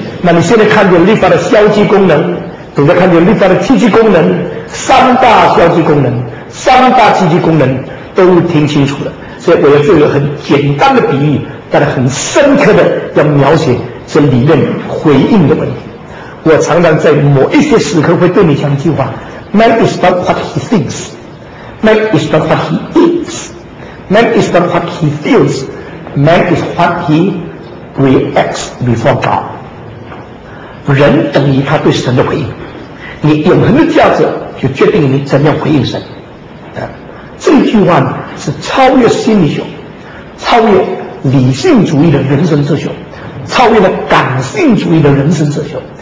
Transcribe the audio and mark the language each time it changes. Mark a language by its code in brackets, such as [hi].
[zh] 那你现在看见律法的消极功能，等着看见律法的积极功能，三大消极功能三大积极功能都听清楚了。所以我要做一个很简单的比喻，但是很深刻的要描写这理论回应的问题。我常常在某一些时刻会对你讲一句话， [en] Man is not what he thinks， Man is not what he eats， Man is not what he feels， Man is what he reacts before God。 [zh] 人等于他对神的回应，你永恒的价值就决定你怎样回应神。这句话是超越心理学，超越理性主义的人生哲学，超越了感性主义的人生哲学。